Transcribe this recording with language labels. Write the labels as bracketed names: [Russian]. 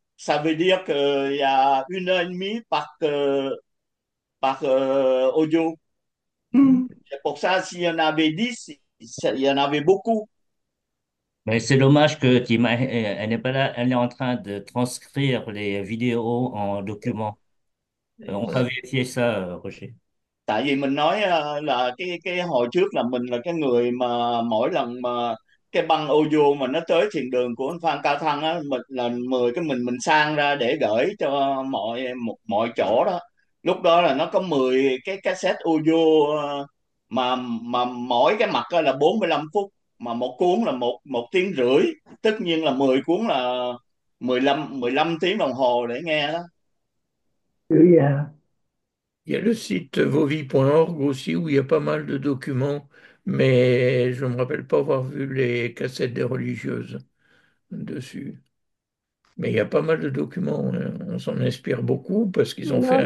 [French] Ça veut dire qu'il y a 1 heure et demie par audio. C'est pour ça, s'il y en avait 10, il y en avait beaucoup. Mais c'est dommage que elle n'est pas là, elle est en train de transcrire les vidéos en documents. On va vérifier ça, Roger. [Vietnamese] Tại vì mình nói là cái hồi trước là mình là cái người mà mỗi lần mà cái băng audio mà nó tới thiền đường của anh Phan Cao Thăng á, mình là mười cái mình sang ra để gửi cho mọi mọi chỗ đó. Lúc đó là nó có 10 cái cassette audio mà mỗi cái mặt là 45 phút, mà một cuốn là một một tiếng rưỡi, tất nhiên là 10 cuốn là 15 tiếng đồng hồ để nghe đó. [French] Il y a le site vovi.org aussi où il y a pas mal de documents, mais je ne me rappelle pas avoir vu les cassettes des religieuses dessus. Mais il y a pas mal de documents, on s'en inspire beaucoup parce qu'ils ont fait un